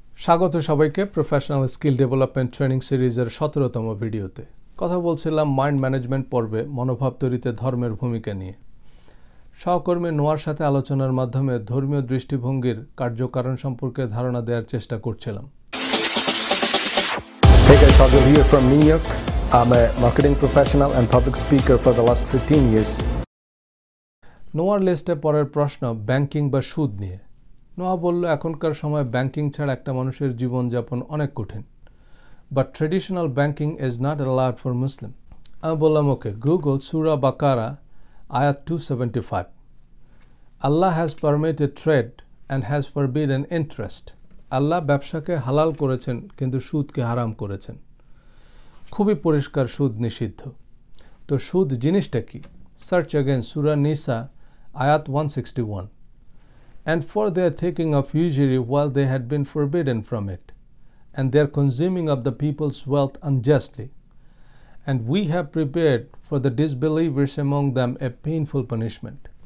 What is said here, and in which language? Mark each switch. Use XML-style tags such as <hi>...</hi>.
<bn>স্বাগত সবাইকে professional skill development training সিরিজের 17তম ভিডিওতে। কথা বলছিলাম মাইন্ড ম্যানেজমেন্ট পর্বে মনোভাব তৈরিতে ধর্মের ভূমিকা নিয়ে। সহকর্মী নোয়ার সাথে আলোচনার মাধ্যমে ধর্মীয় দৃষ্টিভঙ্গির কার্যকারণ সম্পর্কে ধারণা দেওয়ার চেষ্টা করছিলাম।</bn> <en>Hey guys, Sajal here from New York. I'm a marketing professional and public speaker for the last 15 years.</en> <bn>নোয়ার লিস্টে পরের প্রশ্ন ব্যাংকিং বা সুদ নিয়ে। নোয়া বলল, এখনকার সময় ব্যাংকিং ছাড়া একটা মানুষের জীবনযাপন অনেক কঠিন,</bn> <en>But traditional banking is not allowed for Muslim.</en> <bn>আমি বললাম, ওকে, গুগল সুরা বাকারা আয়াত 275,</bn> <en>আল্লাহ has permitted trade and has forbidden interest.</en> <bn>আল্লাহ ব্যবসাকে হালাল করেছেন কিন্তু সুদকে হারাম করেছেন। খুবই পরিষ্কার, সুদ নিষিদ্ধ। তো সুদ জিনিসটা কি?</bn> <en>Search again সুরা নিসা আয়াত 161, and for their taking of usury while they had been forbidden from it, and their consuming of the people's wealth unjustly, and we have prepared for the disbelievers among them a painful punishment.</en>